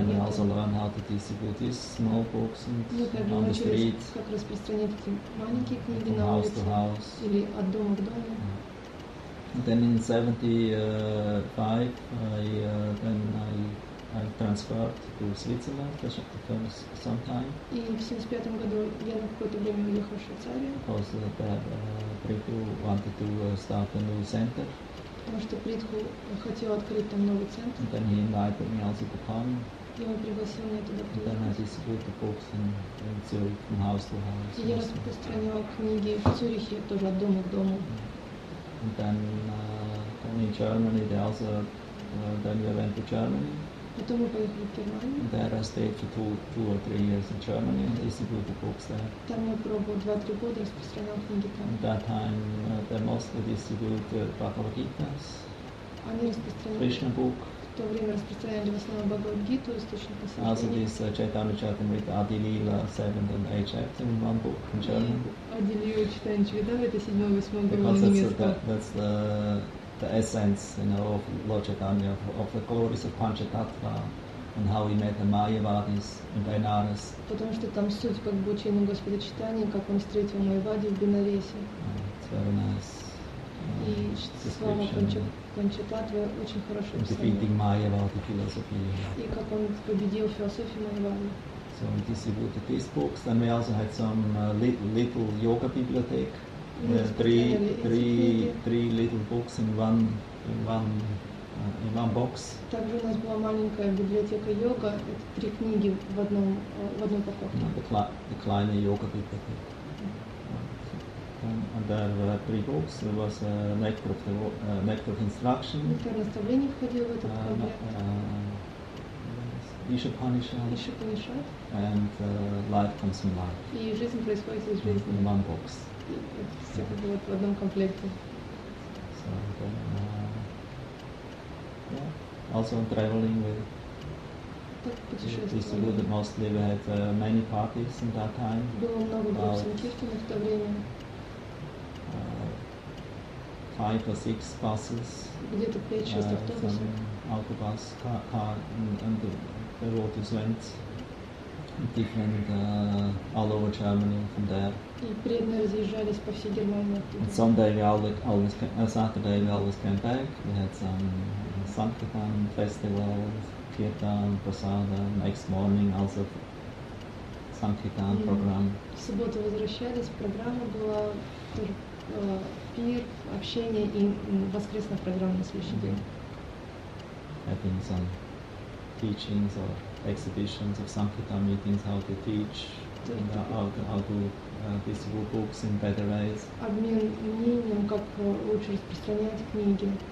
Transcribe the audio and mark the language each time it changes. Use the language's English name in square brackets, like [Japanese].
[English] And then we also learn how to distribute these small books on the street. [Russian] Мы также научились, как распространять эти маленькие книги на улице. Или от дома к дому. [English] And then in 75, I transferred to Switzerland for some time. [Russian] И в 75 году я на какое-то время уехала в Швейцарию. [English] Because Prithu wanted to start a new center. [Russian] Потому что Prithu хотел открыть там новый центр. [English] And then he invited me also to come. [Russian] И он пригласил меня туда приехать. [English] And then I distributed the books in Zurich from house to house. [Russian] И я распространила книги в Цюрихе тоже от дома к дому. [English] And then in Germany, they also, then we went to Germany. [Russian] Потом мы поехали в Германию. [English] And there I stayed for two or three years in Germany and distributed the books there. [Russian] Там я пробовала 2-3 года, распространяла книги там. [English] At that time, they mostly distributed Bhagavad Gita's, [Russian] они распространяли [English] Krishna book. [Russian] В то время распространяли в основном Bhagavad Gita, источник посвящения. [English] Also this Chaitanya-charitamrita Adilila, 7th and 8th chapter in one book in German. [Russian] Adilila, Chaitanya-charitamrita, 7-8 глава немецкого. [English] That's the essence, you know, of Lord Chaitanya, of the glories of Panchatattva, and how he met the Mayavadis in Benares. [Russian] Потому что там суть как бы учения Господа Читания, как он встретил Майявади в Бенаресе. [English] It's very nice. [Russian] И слова Панчататвы очень хорошо описаны. [English] Defeating Mayavadi philosophy. [Russian] И как он победил философию Майявади. [English] So we distributed these books, and we also had some little yoga bibliothek. Three little books in one box. [Russian] Также у нас была маленькая библиотека йога, это три книги в одной упаковке. [English] The [German] kleine yoga bibliothek. [English] And there were three books. There was a network instruction. [Russian] Некоторое наставление входило в этот комплект. Ишупанишат. Ишупанишат. [English] And life comes from life. [Russian] И жизнь происходит из жизни. [English] In one box. [Russian] Все это было в одном комплекте. [English] So then, also on traveling with. [Russian] Так путешествовали. [English] We did mostly we had many parties in that time. [Russian] Было много групп санкиртана в то время. [English] Five or six buses. [Russian] Где-то 5-6 автобусов. [English] Some autobus, car, and the road just went different all over Germany from there. [Russian] И преданно разъезжались по всей Германии. [English] And someday we always came, Saturday we always came back. We had some Sankirtan festival, Kirtan, Prasada. Next morning also Sankirtan program. [Russian] В субботу возвращались, программа была тоже пир, общение и воскресная программа на следующий день. [English] Having some teachings or exhibitions of Sankirtan meetings, how to teach, how to distribute books in better ways. [Russian] Обмен мнением, как лучше распространять книги.